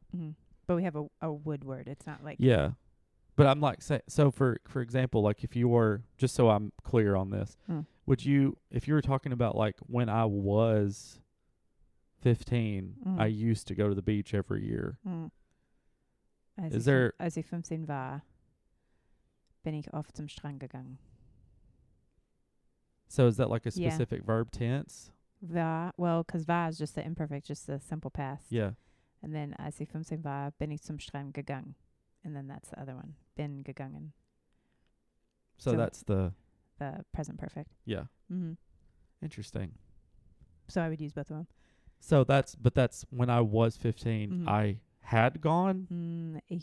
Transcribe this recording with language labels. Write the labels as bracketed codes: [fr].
[en] Mm-hmm. But we have a would word. It's not like. Yeah. But I'm like, say, so for example, like if you were, just so I'm clear on this, would you, if you were talking about like when I was 15, I used to go to the beach every year. Mm. Is there. [de] Als ich 15 war, bin ich oft zum Strand gegangen. [en] So is that like a specific verb tense? War, well, because war is just the imperfect, just the simple past. Yeah. And then [de] als ich 15 war, bin ich zum Strand gegangen. [en] And then that's the other one. [de] Bin gegangen. [en] So that's the. The present perfect. Yeah. Mm-hmm. Interesting. So I would use both of them. So that's, but that's when I was 15, mm-hmm. I had gone.